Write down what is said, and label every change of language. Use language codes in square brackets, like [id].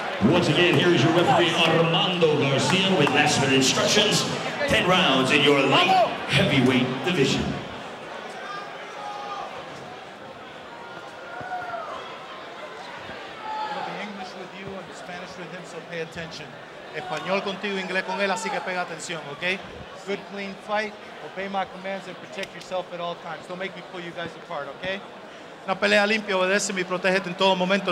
[en] Once again, here is your referee Armando Garcia with last minute instructions. 10 rounds in your light heavyweight division. I'm going to be English with you and Spanish with him, so pay attention. [es] Español contigo, inglés con él, así que pega atención, okay? [en] Good, clean fight. Obey my commands and protect yourself at all times. Don't make me pull you guys apart, okay? [es] Una pelea limpia, obedece y protégete en todo momento.